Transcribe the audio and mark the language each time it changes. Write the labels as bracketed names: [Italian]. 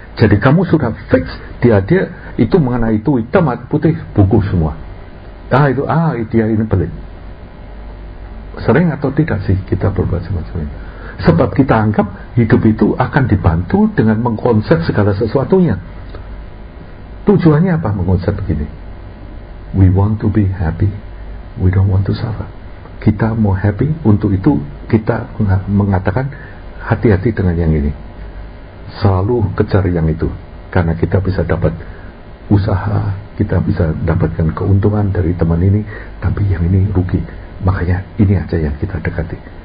[Indonesian] Jadi kamu sudah fix dia itu mengenai itu, hitam atau putih, buku semua. Ah, dia ini pelit. Sering atau tidak sih kita berbuat semacam ini? Sebab kita anggap hidup itu akan dibantu dengan mengkonsep segala sesuatunya. Tujuannya apa mengkonsep begini? [English] We want to be happy, we don't want to suffer. [Indonesian] Kita mau happy, untuk itu kita mengatakan hati-hati dengan yang ini. Selalu kejar yang itu, karena kita bisa dapat usaha, kita bisa dapatkan keuntungan dari teman ini, tapi yang ini rugi. Makanya ini aja yang kita dekati.